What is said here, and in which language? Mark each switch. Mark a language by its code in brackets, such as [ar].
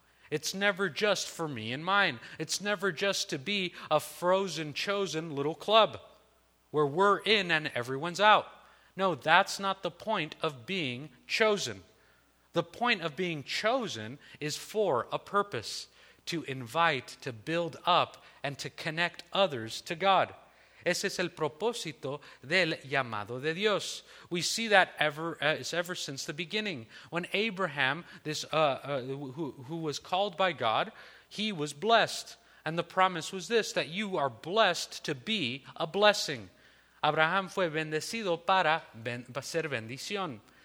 [en] It's never just for me and mine. It's never just to be a frozen, chosen little club where we're in and everyone's out. No, that's not the point of being chosen. The point of being chosen is for a purpose, to invite, to build up, and to connect others to God. [es] Ese es el propósito del llamado de Dios. [en] We see that ever since the beginning. When Abraham, who was called by God, he was blessed. And the promise was this, that you are blessed to be a blessing. [es] Abraham fue bendecido para ser bendición.